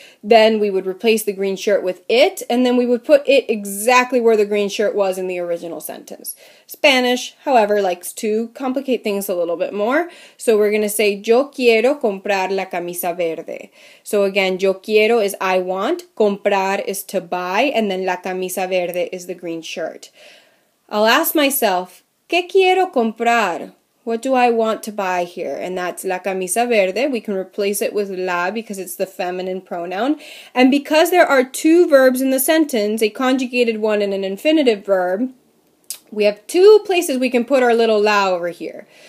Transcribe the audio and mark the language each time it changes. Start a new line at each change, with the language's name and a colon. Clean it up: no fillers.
English: Then we would replace the green shirt with it. And then we would put it exactly where the green shirt was in the original sentence. Spanish, however, likes to complicate things a little bit more. So we're going to say,
Spanish: yo quiero comprar la camisa verde.
English: So again,
Spanish: yo quiero
English: is I want,
Spanish: comprar
English: is to buy, and then
Spanish: la camisa verde
English: is the green shirt. I'll ask myself,
Spanish: ¿qué quiero comprar?
English: What do I want to buy here? And that's
Spanish: la camisa verde.
English: We can replace it with la because it's the feminine pronoun. And because there are two verbs in the sentence, a conjugated one and an infinitive verb, we have two places we can put our little la over here.